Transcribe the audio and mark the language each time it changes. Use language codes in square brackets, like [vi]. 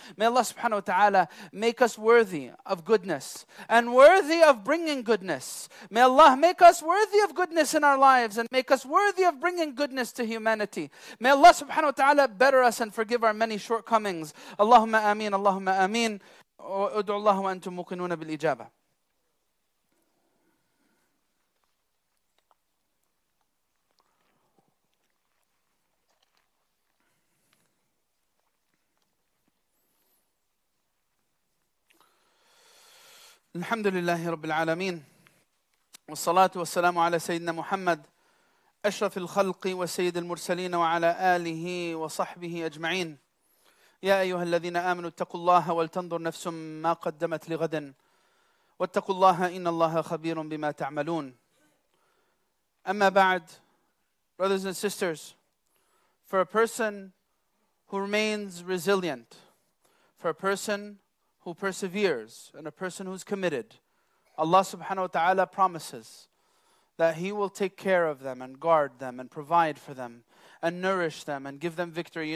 [en] May Allah subhanahu wa ta'ala make us worthy of goodness and worthy of bringing goodness. May Allah make us worthy of goodness in our lives and make us worthy of bringing goodness to humanity. May Allah subhanahu wa ta'ala better us and forgive our many shortcomings. [ar] Allahumma ameen, Allahumma ameen. وادعوا الله وأنتم موقنون بالإجابة. الحمد لله رب العالمين والصلاة والسلام على سيدنا محمد أشرف الخلق وسيد المرسلين وعلى آله وصحبه أجمعين. يا أيها الذين آمنوا اتقوا الله ولتنظر نفس ما قدمت لغد واتقوا الله إن الله خبير بما تعملون. أما بعد, [en] brothers and sisters, for a person who remains resilient, for a person who perseveres and a person who's committed, Allah subhanahu wa ta'ala promises that He will take care of them and guard them and provide for them and nourish them and give them victory.